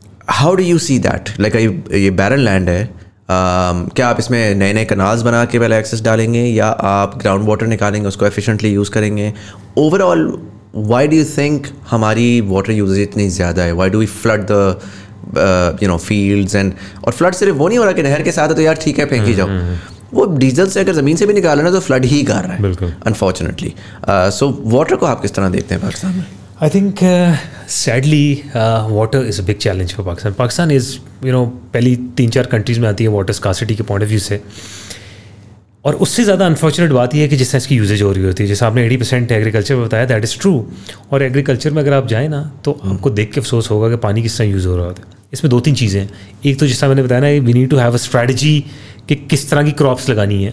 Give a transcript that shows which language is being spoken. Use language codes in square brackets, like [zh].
[en] How do you see that? [ur] Like یہ barren land ہے, کیا آپ اس میں نئے نئے کنالز بنا کے پہلے ایکسس ڈالیں گے, یا آپ گراؤنڈ واٹر نکالیں گے اس کو ایفیشنٹلی یوز کریں گے؟ [en] overall why do you think [ur] ہماری واٹر یوزیج اتنی زیادہ ہے؟ [en] Why do we flood the you know fields? [ur] And اور فلڈ صرف وہ نہیں ہو رہا کہ نہر کے ساتھ ہے تو یار ٹھیک ہے پھینکی جاؤ, وہ ڈیزل سے اگر زمین سے بھی نکال رہے ہیں تو فلڈ ہی کر رہا ہے انفارچونیٹلی. سو واٹر کو آپ کس طرح دیکھتے ہیں پاکستان میں؟ [en] I think sadly water is a big challenge for Pakistan. [ur] Pakistan is you know پہلی 3-4 کنٹریز میں آتی ہے واٹر اسکارسٹی کے پوائنٹ آف ویو سے, اور اس سے زیادہ انفارچونیٹ بات یہ ہے کہ جس طرح اس کی یوزیج ہو رہی ہوتی ہے, جیسے آپ نے 80% ایگریکلچر میں بتایا, [en] That is true. [ur] اور ایگریکلچر میں اگر آپ جائیں نا تو آپ کو دیکھ کے افسوس ہوگا کہ پانی کس طرح یوز ہو رہا ہوتا ہے. اس میں 2-3 چیزیں ہیں, ایک تو جس طرح میں نے بتایا نا, [en] we need to have a strategy [ur] کہ کس طرح کی کراپس لگانی ہے.